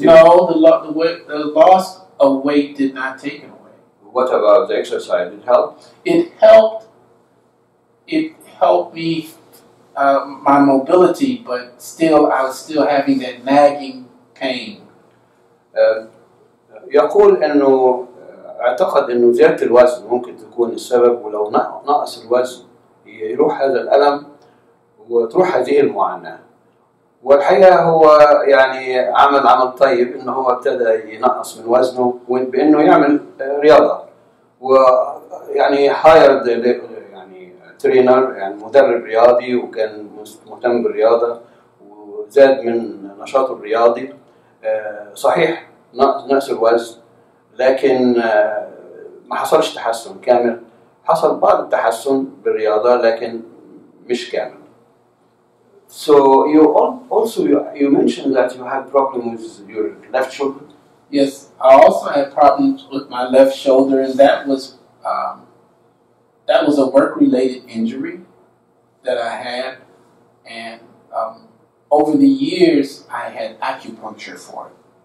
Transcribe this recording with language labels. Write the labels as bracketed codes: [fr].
[en] No, the loss of weight did not take it away. What about the exercise? It helped? It helped. It helped me, my mobility, but still, I was still having that nagging pain. [ar] يقول انه اعتقد انه زياده الوزن ممكن تكون السبب ولو نقص الوزن يروح هذا الالم وتروح هذه المعاناه والحقيقه هو يعني عمل طيب انه هو ابتدى ينقص من وزنه بانه يعمل رياضه ويعني هايرد يعني ترينر يعني مدرب رياضي وكان مهتم بالرياضه وزاد من نشاطه الرياضي صحيح نقص الوزن لكن ما حصلش تحسن كامل حصل بعض التحسن بالرياضة لكن مش كامل. [en] So you also you mentioned that you had problems with your left shoulder. Yes, I also had problems with my left shoulder and that was a work related injury that I had and over the years I had acupuncture for it.